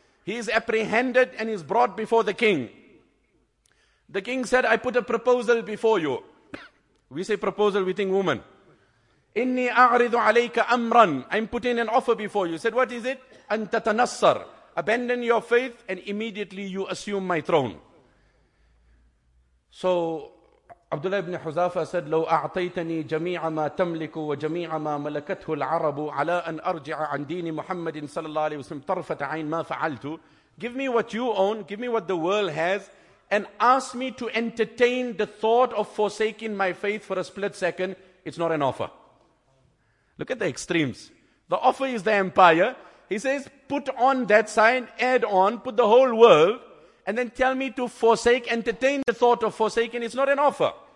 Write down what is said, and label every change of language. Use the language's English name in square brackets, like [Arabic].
[English] He is apprehended and is brought before the king. The king said, I put a proposal before you. We say proposal, we think woman. [Arabic] Inni a'ridu alayka amran. [English] I'm putting an offer before you. He said, what is it? [Arabic] An tatanassar. [English] Abandon your faith and immediately you assume my throne. [Arabic] So Abdullah ibn Huzafa said, لو أعطيتني جميع ما تملك وجميع ما ملكته العرب على أن أرجع عن دين محمد صلى الله عليه وسلم طرفة عين ما فعلت. [English] Give me what you own, give me what the world has, and ask me to entertain the thought of forsaking my faith for a split second. It's not an offer. Look at the extremes. The offer is the empire. He says, put on that sign, add on, put the whole world, and then tell me to forsake, entertain the thought of forsaking. It's not an offer.